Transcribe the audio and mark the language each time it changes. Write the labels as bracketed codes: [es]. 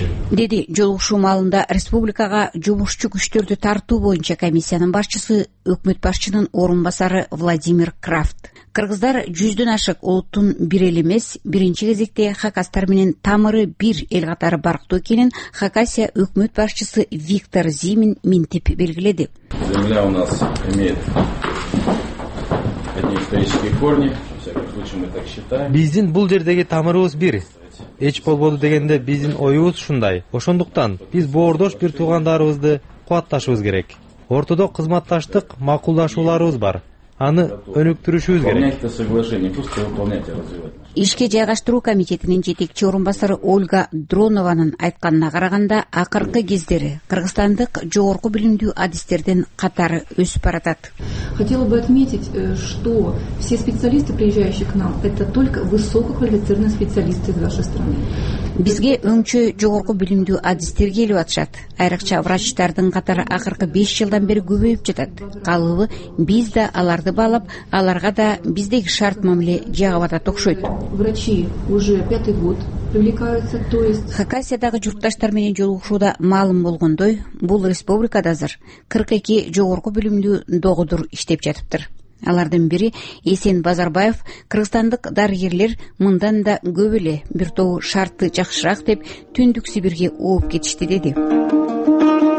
[ky] Деди жолугушуу маалында республикага жумушчу күчтөрдү тартуу боюнча комиссиянын башчысы, өкмөт башчынын орун басары Владимир Крафт. Кыргыздар 100 ашык улуттун бир эли эмес, биринчи кезекте хакастар менен тамыры бир эл катары барктуу экенин Хакасия өкмөт башчысы Виктор Зимин минтип белгиледи. [ru] Земля у нас имеет одни исторические корни, во всяком случае мы так считаем. [ky] Биздин бул жердеги тамырыбыз бир. Эч болбоду дегенде биздин оюбуз ушундай. Ошондуктан биз боордош бир туугандарыбызды кубатташыбыз керек. Ортодо кызматташтык макулдашууларыбыз бар. Аны өнүктүрүшүбүз керек. Ишке жайгаштыруу комитетинин жетекчи орун басары Ольга Дронованын айтканына караганда, акыркы кездери кыргызстандык жогорку билимдүү адистердин катары өсүп баратат. [ru] Хотела бы отметить, что все специалисты, приезжающие к нам, это только высококвалифицированные специалисты из вашей страны. [ky] Бизге өңчө жогорку билимдүү адистер келип атышат. Айрыкча врачтардын катары акыркы 5 жылдан бери көбөйүп жатат. Калыбы биз да аларды баалап, аларга да биздеги шарт мамиле жагып атат окшойт. [ru] Врачи уже 5-й год привлекаются, то есть [ky] Хакасиядагы журташтар менен жолугушууда маалым болгондой, бул республикада азыр 42 жогорку билимдүү догудур иштеп жатыптыр. Алардын бири Эсен Базарбаев, кыргызстандык дарыгерлер мындан да көп эле, бир тобу шарты жакшыраак деп түндүк Сибирге ооп кетишти деди.